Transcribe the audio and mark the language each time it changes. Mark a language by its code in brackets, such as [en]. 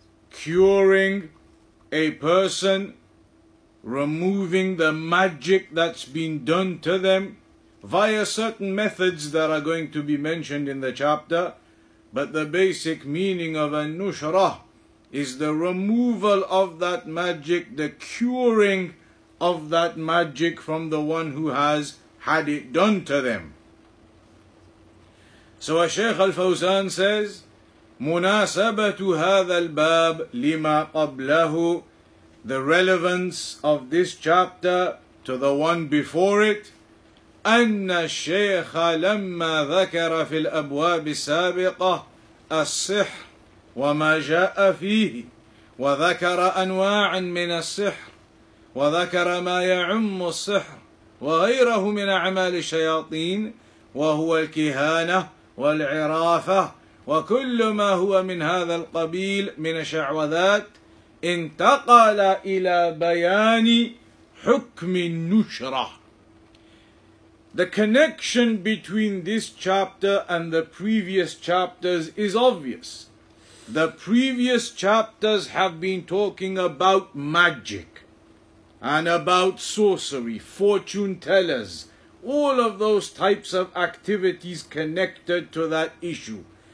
[en] Curing a person, removing the magic that's been done to them via certain methods that are going to be mentioned in the chapter. But the basic meaning of a nushra is the removal of that magic, the curing of that magic from the one who has had it done to them. So a Shaykh Al-Fawzan says, [ar] مناسبة هذا الباب لما قبله, [en] the relevance of this chapter to the one before it, [ar] أن الشيخ لما ذكر في الأبواب السابقة السحر وما جاء فيه وذكر أنواعا من السحر وذكر ما يعم السحر وغيره من أعمال الشياطين وهو الكهانة والعرافة وكل ما هو من هذا القبيل من الشعوذات انتقل إلى بيان حكم النشرة. [en] The connection between this chapter and the previous chapters is obvious. The previous chapters have been talking about magic and about sorcery, fortune tellers, all of those types of activities connected to that issue.